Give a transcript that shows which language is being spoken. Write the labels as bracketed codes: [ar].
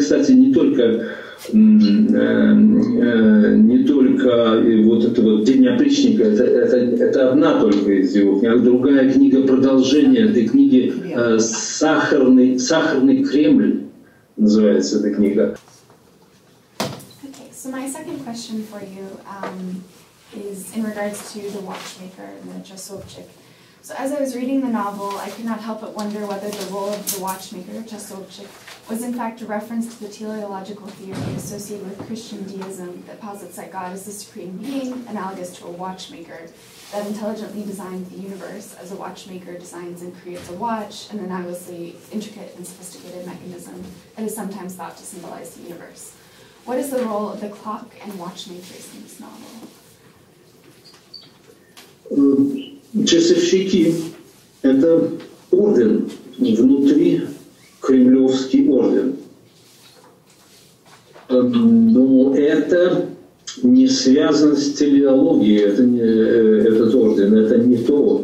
[ru] Кстати, не только вот это вот «День опричника», это одна только из его книг, а другая книга, продолжение этой книги, «Сахарный Кремль» называется эта книга. [en] So my second question for you is in regards to The Watchmaker and the Czesłowczyk. So as I was reading the novel, I could not help but wonder whether the role of the Watchmaker, Czesłowczyk, was in fact a reference to the teleological theory associated with Christian deism that posits that God is the supreme being, analogous to a watchmaker, that intelligently designed the universe as a watchmaker designs and creates a watch, an analogously intricate and sophisticated mechanism that is sometimes thought to symbolize the universe. What is the role of the clock and watchmakers in this novel? [ru] Часовщики – это орден внутри, кремлевский орден. Но это не связано с телеологией, этот орден, это не то.